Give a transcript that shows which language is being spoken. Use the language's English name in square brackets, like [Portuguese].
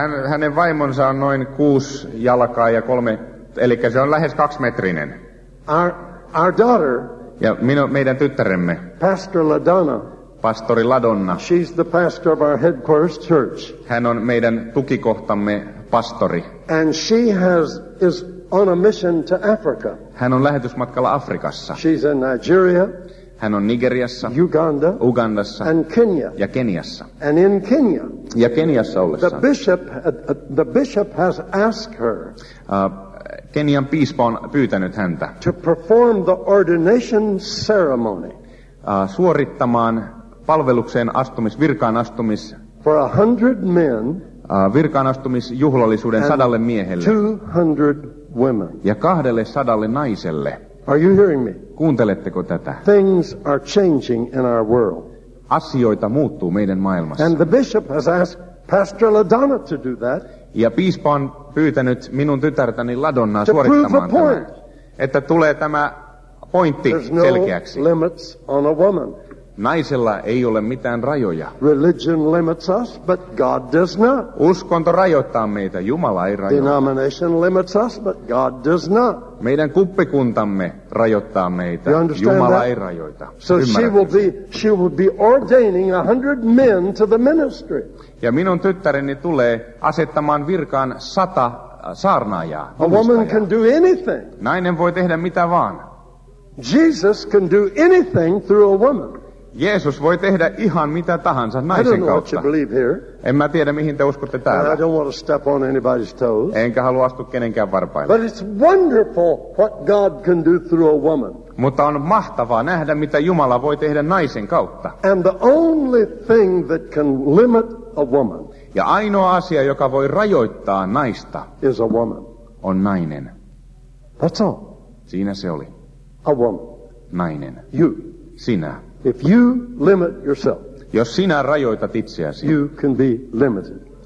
[Finnish] Hänen vaimonsa on noin 6 jalkaa ja 3, eli se on lähes 2-metrinen. [English] Our daughter. [Finnish] Ja meidän tyttäremme. [English] Pastor Ladonna. [Finnish] Pastori Ladonna. [English] She's the pastor of our headquarters church. [Finnish] Hän on meidän tukikohtamme pastori. [English] And she is on a mission to Africa. [Finnish] Hän on lähetysmatkalla Afrikassa. [English] She's in Nigeria. [Finnish] Hän on Nigeriassa, [English] Uganda, [Finnish] Ugandassa [English] and Kenya. [Finnish] Ja Keniassa. [English] And in Kenya. [Finnish] Ja Keniassa ollessa. [English] The bishop has asked her. [Finnish] Kenian piispa on pyytänyt häntä. [English] To perform the ordination ceremony. [Finnish] Suorittamaan palvelukseen virkaan astumis. [English] For 100 men. [Finnish] Virkaan astumis juhlallisuuden 100 miehelle. [English] 200 women. [Finnish] Ja 200 naiselle. [English] Are you hearing me? [Finnish] Kuunteletteko tätä? [English] Things are changing in our world. [Finnish] Asioita muuttuu meidän maailmassa. [English] And the bishop has asked Pastor Ladonna to do that. [Finnish] Ja piispa on pyytänyt minun tytärtäni Ladonnaa suorittamaan tämän. [English] Point. [Finnish] Että tulee tämä pointti selkeäksi. [English] There's no limits on a woman. [Finnish] Naisella ei ole mitään rajoja. [English] Religion limits us, but God does not. [Finnish] Uskonto rajoittaa meitä, Jumala ei rajoita. [English] Denomination limits us, but God does not. [Finnish] Meidän kuppikuntamme rajoittaa meitä, [English] you understand [Finnish] Jumala [English] that? [Finnish] Ei rajoita. [English] So she will be ordaining 100 men to the ministry. [Finnish] Ja minun tyttäreni tulee asettamaan virkaan 100 saarnaajaa. [English] A woman can do anything. [Finnish] Nainen voi tehdä mitä vaan. [English] Jesus can do anything through a woman. [Finnish] Jeesus voi tehdä ihan mitä tahansa naisen kautta. En mä tiedä, mihin te uskotte täällä. [English] I don't want to step on anybody's toes. [Finnish] Enkä halua astua kenenkään varpaille. [English] But it's wonderful what God can do through a woman. [Finnish] Mutta on mahtavaa nähdä, mitä Jumala voi tehdä naisen kautta. [English] And the only thing that can limit a woman. [Finnish] Ja ainoa asia, joka voi rajoittaa naista, [English] is a woman. [Finnish] On nainen. [English] That's all. [Finnish] Siinä se oli. [English] A woman. [Finnish] Nainen. [English] You. [Finnish] Sinä. [English] If you limit yourself, [Finnish] jos sinä rajoitat itseäsi, [English] you can be limited.